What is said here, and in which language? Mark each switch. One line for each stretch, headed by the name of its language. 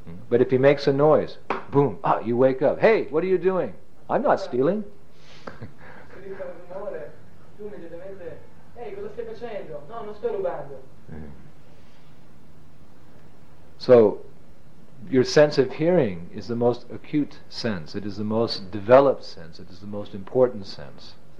English: But if he makes a noise, boom, you wake up. "Hey, what are you doing? I'm not stealing."
Italian: Se ti fa un rumore, tu immediatamente, "Hey, cosa stai facendo? No, non sto rubando."
English: So your sense of hearing is the most acute sense. It is the most developed sense. It is the most important sense.